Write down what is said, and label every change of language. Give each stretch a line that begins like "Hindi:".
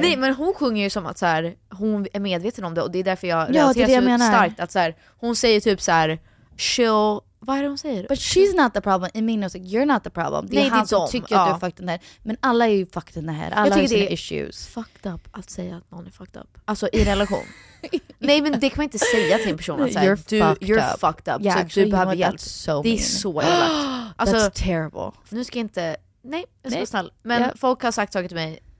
Swedish: Nej, men hon sjunger ju som att så här, hon är medveten om det. Och det är därför jag relaterar så starkt att så här, hon säger typ så här, chill. Vad är det hon säger?
English: But she's not the problem. I mean, I was like, you're not the problem.
Swedish: Det är han som tycker att du är
English: fucked in the head.
Swedish: Men alla är ju
English: fucked in the head.
Swedish: Alla har sina issues. Fucked up att säga att någon är
English: fucked up.
Swedish: Alltså i relation. Nej, men det kan man inte säga till en person att säga,
English: You're fucked up.
Swedish: Yeah, så actually, du behöver hjälp.
English: So
Swedish: det är så jävla.
English: Alltså, that's terrible.
Swedish: Nu ska jag inte. Nej, jag ska vara snäll. Men folk har sagt saker till mig.